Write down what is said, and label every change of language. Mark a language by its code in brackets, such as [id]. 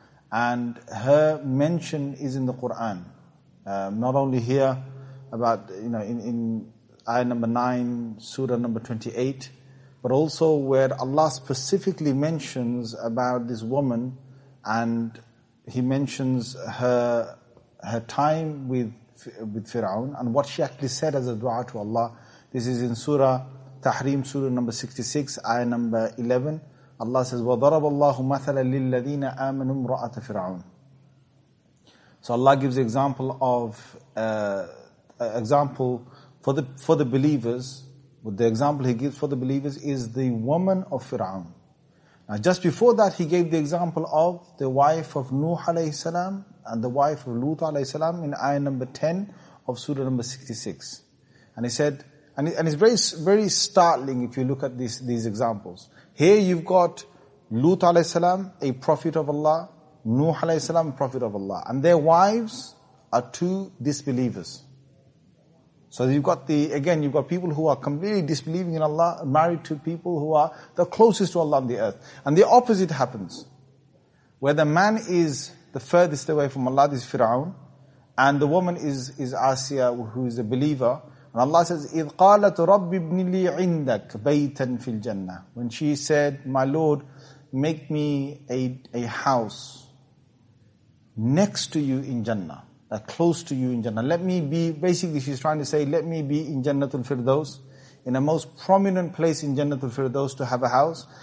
[en] And her mention is in the Quran. Not only here, about, you know, in ayah number 9, surah number 28, but also where Allah specifically mentions about this woman. And he mentions her time with Fir'aun and what she actually said as a dua to Allah. This is in Surah Tahrim, Surah number 66, ayah number 11. Allah says, [ar] وَضَرَبَ اللَّهُ مَثَلًا لِلَّذِينَ آمَنُوا امْرَأَةَ فِرْعَوْنَ. [en] So Allah gives example of example for the believers. But the example he gives for the believers is the woman of Fir'aun. Now, just before that, he gave the example of the wife of Nuh alayhi salam and the wife of Lut alayhi salam in ayah number 10 of surah number 66. And he said, and it's very, very startling if you look at these examples. Here you've got Lut alayhi salam, a prophet of Allah, Nuh alayhi salam, a prophet of Allah, and their wives are two disbelievers. So you've got you've got people who are completely disbelieving in Allah, married to people who are the closest to Allah on the earth. And the opposite happens, where the man is the furthest away from Allah, this is Fir'aun, and the woman is Asiya, who is a believer. And Allah says, [ar] إِذْ قَالَتْ رَبِّ ابْنِ لِي عِنْدَكْ بَيْتًا فِي الْجَنَّةِ. [en] When she said, my Lord, make me a house next to you in Jannah. Close to you in Jannah. Let me be, basically she's trying to say, let me be in Jannatul Firdaus, in a most prominent place in Jannatul Firdaus to have a house.